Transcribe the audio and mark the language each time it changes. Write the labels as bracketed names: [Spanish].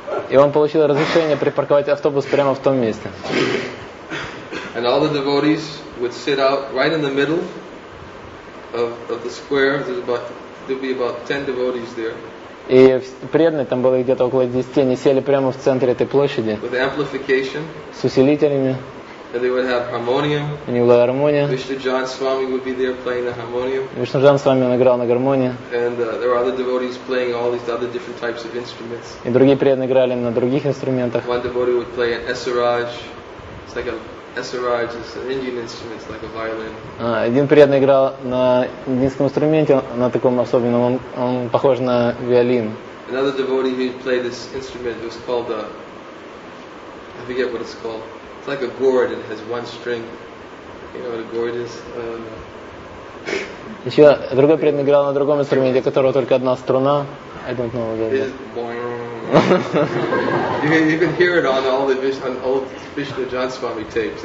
[Russian] И он получил разрешение припарковать автобус прямо в том месте. [English] And all the devotees would sit out right in the middle of the square. There'd be about 10 devotees there. [Russian] И преданные там было где-то около 10, они сели прямо в центре этой площади. [English] With amplification. [Russian] С усилителями. [English] And they would have harmonium. [Russian] У них была гармония. [English] Vishnujan Swami would be there playing the harmonium. [Russian] Vishnujan Swami играл на гармонии. [English] And there were other devotees playing all these other different types of instruments. [Russian] И другие преданные играли на других инструментах. [English] One devotee would play an esaraj. It's like a esaraj is an Indian instrument, it's like a violin. [Russian] Один преданный играл на индийском инструменте, на таком особенном, он похож на виолин. [English] Another devotee who played this instrument was called I forget what it's called. It's like a gourd and it has one string. You know what a gourd is? [Russian] Еще другой преданный играл на другом инструменте, у которого только одна струна. [English] I don't know what that is. You can hear it on all the old Vishnu John Swami tapes.